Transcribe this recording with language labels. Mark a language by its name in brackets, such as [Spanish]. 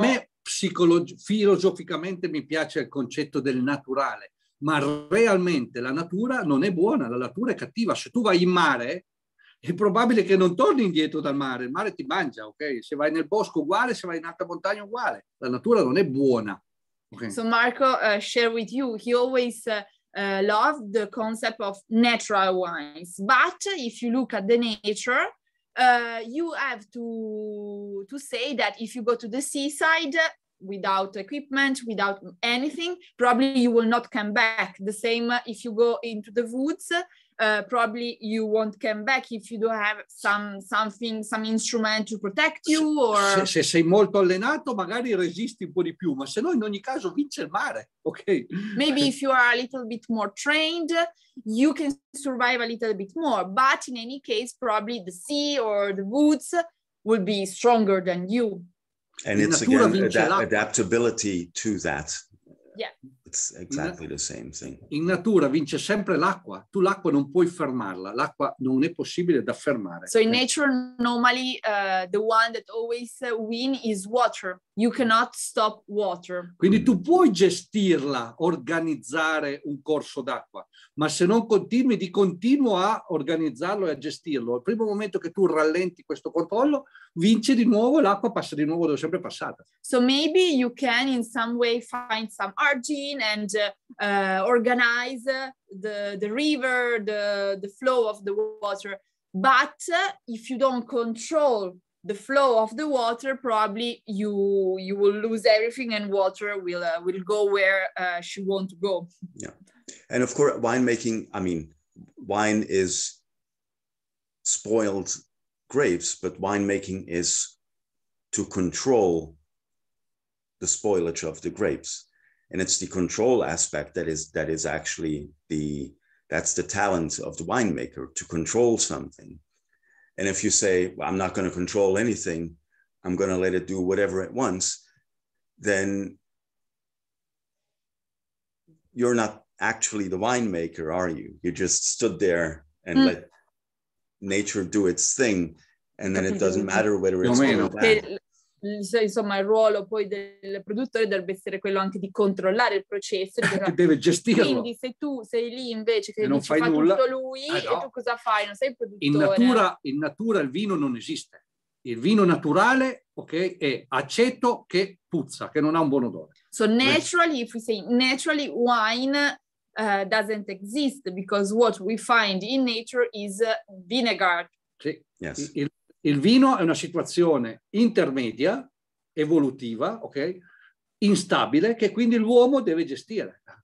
[Italian] Anche a me filosoficamente mi piace il concetto del naturale, ma realmente la natura non è buona, la natura è cattiva. Se tu vai in mare, è probabile che non torni indietro dal mare, il mare ti mangia, ok? Se vai nel bosco uguale, se vai in alta montagna uguale, la natura non è buona. Okay. [English] So Marco share with you, he always loved the concept of natural wines, but if you look at the nature, you have to say that if you go to the seaside without equipment, without anything, probably you will not come back. The same if you go into the woods, probably you won't come back if you don't have some instrument to protect you. Or [Italian] se sei molto allenato, magari resisti un po' di più, ma se no, in ogni caso, vince il mare. Ok. [English] Maybe if you are a little bit more trained, you can survive a little bit more. But in any case, probably the sea or the woods will be stronger than you. And it's again adaptability to that. Yeah. It's exactly the same thing. [Italian] In natura vince sempre l'acqua. Tu l'acqua non puoi fermarla. L'acqua non è possibile da fermare. [English] So in nature, normally, the one that always win is water. You cannot stop water. [Italian] Quindi tu puoi gestirla, organizzare un corso d'acqua, ma se non continui di continuo a organizzarlo e a gestirlo, al primo momento che tu rallenti questo controllo, vince di nuovo, l'acqua passa di nuovo dove sempre è passata. [English] So maybe you can in some way find some argine and organize the river, the flow of the water, but if you don't control the flow of the water, probably you will lose everything and water will go where she won't go. Yeah. And of course, winemaking, I mean, wine is spoiled grapes, but winemaking is to control the spoilage of the grapes. And it's the control aspect that is actually that's the talent of the winemaker, to control something. And if you say, well, I'm not going to control anything, I'm going to let it do whatever it wants, then you're not actually the winemaker, are you? You just stood there and let nature do its thing, and then it doesn't matter whether it's good or bad. [Italian] Insomma, il ruolo poi del produttore dovrebbe essere quello anche di controllare il processo. Deve gestirlo. Quindi se tu sei lì invece che non fai nulla, tutto lui, e tu cosa fai? Non sei il produttore. In natura il vino non esiste. Il vino naturale, ok, è aceto che puzza, che non ha un buon odore. [English] So naturally, if we say naturally wine doesn't exist, because what we find in nature is vinegar. Sì. Yes. [Italian] Il vino è una situazione intermedia, evolutiva, ok, instabile, che quindi l'uomo deve gestire.